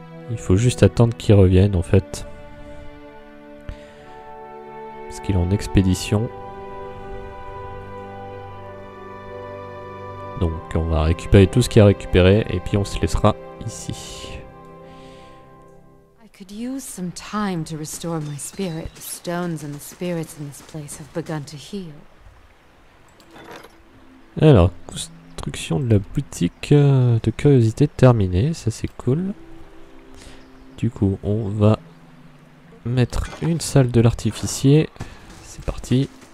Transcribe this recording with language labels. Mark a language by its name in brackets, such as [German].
[French] Il faut juste attendre qu'il revienne en fait. Parce qu'il est en expédition. Donc on va récupérer tout ce qu'il a récupéré et puis on se laissera ici. [English] Could use some time to restore my spirit. The stones and the spirits in this place have begun to heal. [French] Alors, construction de la boutique de curiosité terminée, ça c'est cool. Du coup, on va mettre une salle de l'artificier. C'est parti.